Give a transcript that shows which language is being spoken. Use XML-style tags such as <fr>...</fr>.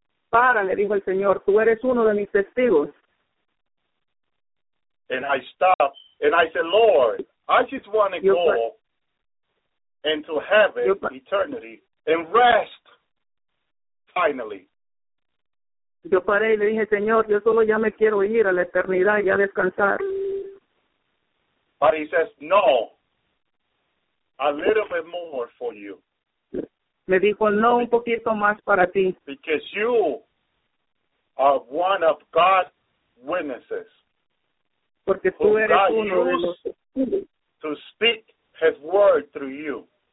<es>Para, le dijo el Señor. Tú eres uno de mis testigos.</es> <en>And I stopped, and I said, Lord, I just want to go into heaven, eternity, and rest, finally.</en> <es>Yo paré y le dije, Señor, yo solo ya me quiero ir a la eternidad y a descansar.</es> <en>But he says, no, a little bit more for you.</en> <es>Me dijo, no, un poquito más para ti.</es> <en>Because you are one of God's witnesses.</en> <es>Porque tú eres uno de los</es> <en>to speak his word through you.</en>